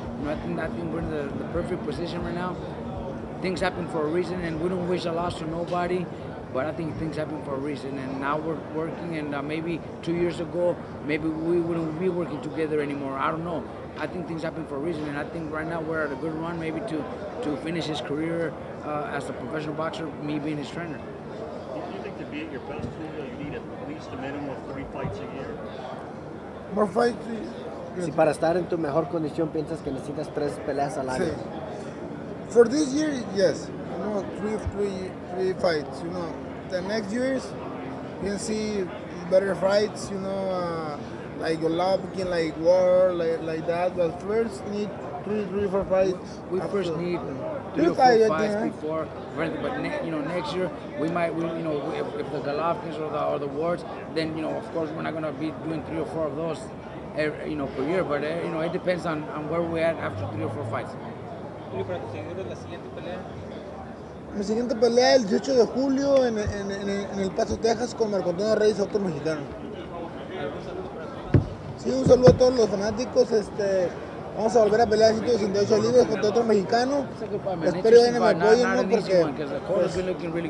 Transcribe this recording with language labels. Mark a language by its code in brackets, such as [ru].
[en] You know, I think we're in the perfect position right now. Things happen for a reason and we don't wish a loss to nobody, but I think things happen for a reason and now we're working and maybe 2 years ago, maybe we wouldn't be working together anymore, I don't know. I think things happen for a reason, and I think right now we're at a good run maybe to finish his career as a professional boxer, me being his trainer. Do you think to be at your best, Julio, you need at least a minimum of 3 fights a year? More fights? [es] Si para estar en tu mejor condición piensas que necesitas 3 peleas al año. [en] For this year, yes. You know, three fights, you know. The next years, you can see better fights, you know. Like Golovkin, like war, like that. But first, need three, four fights. We first need three or four fights before. But next year we might, if the Golovkins or the Wards, then of course we're not gonna be doing three or four of those, per year. But it depends on where we are after three or four fights. [es] Mi siguiente pelea el 18 de julio en El Paso, Texas, con Marco Antonio Reyes, otro mexicano. Sí, un saludo a todos los fanáticos. Vamos a volver a pelear 168 libras contra otro mexicano. Espero que me apoyen, ¿no? Porque